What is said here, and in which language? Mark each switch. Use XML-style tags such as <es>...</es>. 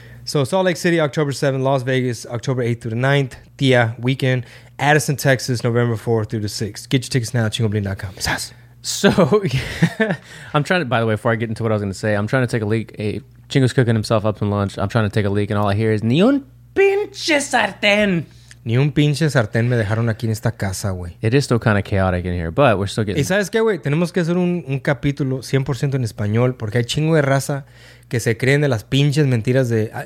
<en>So Salt Lake City, October 7th, Las Vegas, October 8th through the 9th, Thea Weekend, Addison, Texas, November 4th through the 6th. Get your tickets now at chingoblin.com. So I'm trying to, by the way, before I get into what I was going to say, I'm trying to take a leak. Hey, Chingo's cooking himself up some lunch. I'm trying to take a leak and all I hear is,</en> <es>ni un pinche sartén. Ni un pinche sartén me dejaron aquí en esta casa, güey.</es> <en>It is still kind of chaotic in here, but we're still getting...</en> <es>¿Y sabes qué, güey? Tenemos que hacer un capítulo 100% en español porque hay chingo de raza que se creen de las pinches mentiras de...</es>